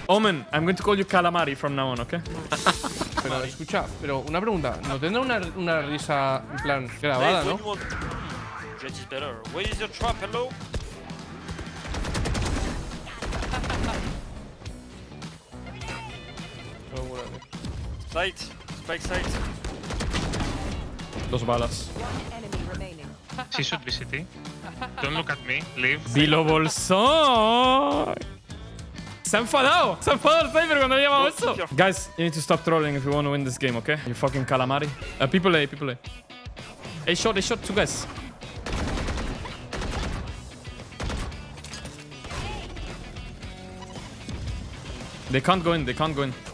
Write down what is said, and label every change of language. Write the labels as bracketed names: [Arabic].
[English] Omen, I'm going to call you Calamari from now on, okay? [Spanish] Pero escucha, pero una pregunta. ¿No tendrá una risa en plan grabada, no? [English] Judge is better. Where is your trap, hello? Sight. Spike sight. [Spanish] Dos balas. [English] She should be city. Don't look at me. Leave. [Spanish] Bilo Bolsón. Se ha enfadado. Se ha enfadado el cyber cuando le llamaba eso. [English] Guys, you need to stop trolling if you want to win this game, okay? You fucking calamari. People A, people A. A shot, two guys. They can't go in, they can't go in.